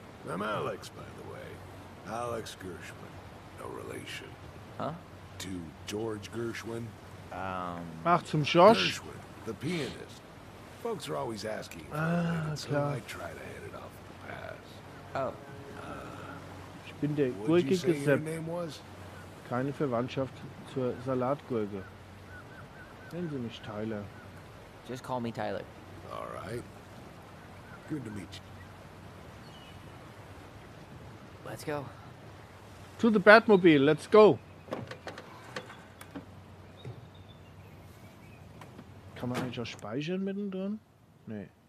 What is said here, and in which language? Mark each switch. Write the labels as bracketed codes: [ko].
[en] I'm Alex, by the way. Alex Gershwin. No relation. Huh? To George Gershwin. [de] Ach, zum Josh. [en] Gershwin, the pianist. Folks are always asking for Ah, him, so I try to head it off the pass. Oh. [de] Ich bin der Gurke Gesepp. Keine Verwandtschaft zur Salatgurke. Nennen Sie mich Tyler. [en] Just call me Tyler. All right. Good to meet you. Let's go. To the Batmobile, let's go. [de] Kann man eigentlich auch speichern mittendrin? Nee.